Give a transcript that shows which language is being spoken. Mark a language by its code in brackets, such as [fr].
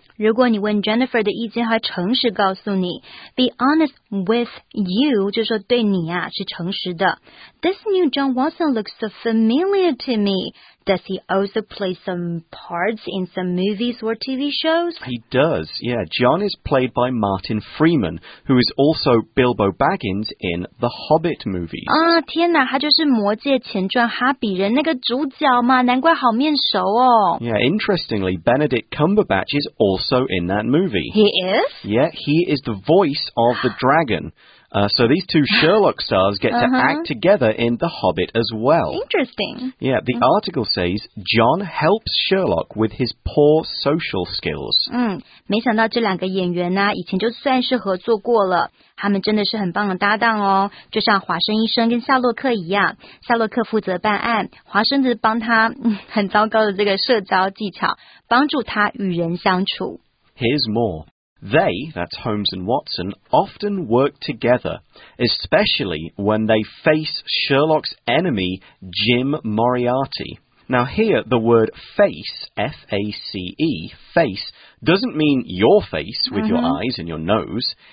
[zh] 如果你问 Jennifer 的意见和诚实告诉你 [en] be honest with you, [zh] 就是说对你啊是诚实的。 [en] This new John Watson looks so familiar to me. Does he also play some parts in some movies or TV shows? He does, yeah. John is played by Martin Freeman, who is also Bilbo Baggins in the Hobbit movies. [zh] 啊，天哪，他就是魔戒前传哈比人那个主角嘛，难怪好面熟哦。 [en] Yeah, interestingly, Benedict Cumberbatch is also in that movie. He is? Yeah, he is the voice of the dragon. So these two Sherlock stars get to act together in The Hobbit as well. Interesting. Yeah, the article says, John helps Sherlock with his poor social skills. [zh] 没想到这两个演员呢、啊、以前就算是合作过了。他们真的是很棒的搭档哦。就像华生医生跟夏洛克一样。夏洛克负责办案，华生则帮他、很糟糕的这个社交技巧，帮助他与人相处。 [en] Here's more. They, that's Holmes and Watson, often work together, especially when they face Sherlock's enemy, Jim Moriarty. Now here, the word face, F-A-C-E, face, doesn't mean your face with your eyes and your nose.